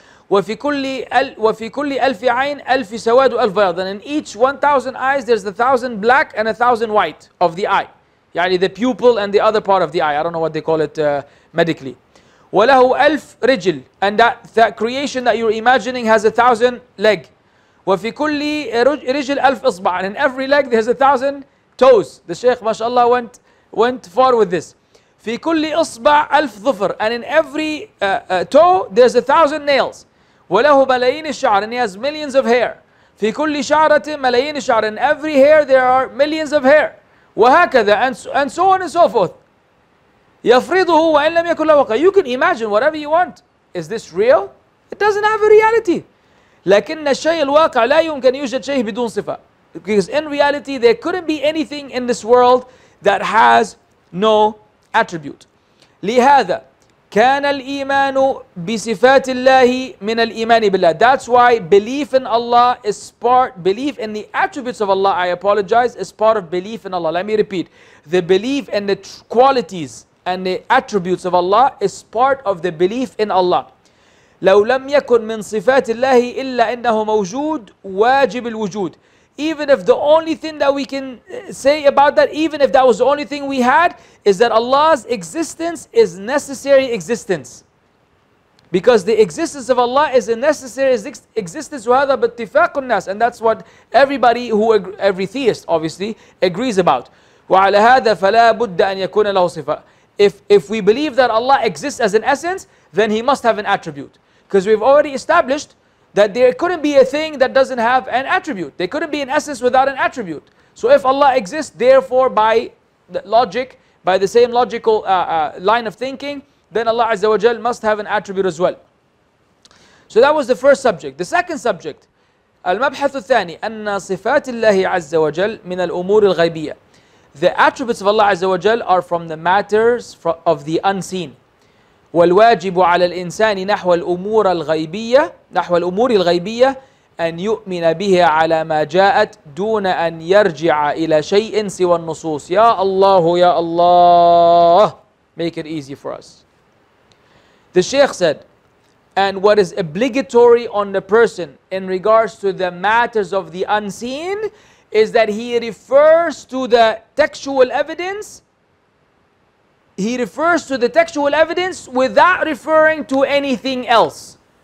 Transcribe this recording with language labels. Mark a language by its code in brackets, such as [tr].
[ar] وفي كل ألف عين ألف سواد وألف بيض. [en] And in each 1,000 eyes there's 1,000 black and 1,000 white of the eye. يعني the pupil and the other part of the eye. I don't know what they call it medically. [ar] وله ألف رجل. [en] And that creation that you're imagining has 1,000 leg. [ar] وفي كل رجل ألف إصبع. [en] And in every leg there's 1,000 toes. The Sheikh, mashallah, went far with this. [ar] في كل إصبع ألف ظفر. [en] And in every toe, there's 1,000 nails. [ar] وله ملايين الشعر. [en] And he has millions of hair. [ar] في كل شعرة ملايين الشعر. [en] In every hair, there are millions of hair. وهكذا. And so on and so forth. [ar] يفرضه وإن لم يكن له وقت. [en] You can imagine whatever you want. Is this real? It doesn't have a reality. [ar] لكن الشيء الواقع لا يمكن يوجد شيء بدون صفة. [en] Because in reality, there couldn't be anything in this world that has no attribute. [ar] لهذا كان الإيمان بصفات الله من الإيمان بالله. [en] That's why belief in Allah is part, belief in the attributes of Allah, I apologize, is part of belief in Allah. Let me repeat. The belief in the qualities and the attributes of Allah is part of the belief in Allah. [ar] لو لم يكن من صفات الله إلا أنه موجود واجب الوجود. [en] Even if the only thing that we can say about that, even if that was the only thing we had, is that Allah's existence is necessary existence. Because the existence of Allah is a necessary existence. [ar] وَهَذَا بَاتِّفَاقُ النَّاسِ. [en] And that's what everybody, who every theist obviously, agrees about. [ar] وَعَلَى هَذَا فَلَا بُدَّ أَنْ يَكُونَ لَهُ صِفَةً. [en] If we believe that Allah exists as an essence, then He must have an attribute. Because we've already established that there couldn't be a thing that doesn't have an attribute. There couldn't be an essence without an attribute. So if Allah exists, therefore by the logic, by the same logical line of thinking, then Allah Azza wa Jal must have an attribute as well. So that was the first subject. The second subject, [ar] المبحث الثاني, أن صفات الله عز وجل من الأمور الغيبية. [en] The attributes of Allah Azza wa Jal are from the matters of the unseen. [ar] والواجب على الإنسان نحو الأمور الغيبية نحو الأمور الغيبية أن يؤمن بها على ما جاءت دون أن يرجع إلى شيء سوى النصوص. يا الله يا الله. [en] Make it easy for us. The Sheikh said, and what is obligatory on the person in regards to the matters of the unseen is that he refers to the textual evidence. He refers to the textual evidence without referring to anything else.